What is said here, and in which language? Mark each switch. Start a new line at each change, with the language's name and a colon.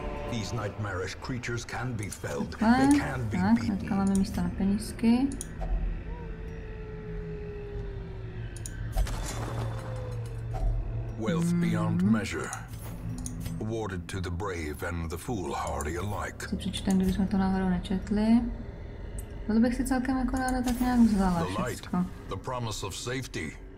English: These nightmarish creatures can be felled.
Czech: Tak, máme místa na penízky.
English: Wealth beyond measure. Awarded to the brave and the foolhardy alike.
Czech: Si přečtem, kdybychom to náhodou nečetli. No to bych si celkem jako ráda tak nějak vzala všecko.
English: The light, the promise of safety.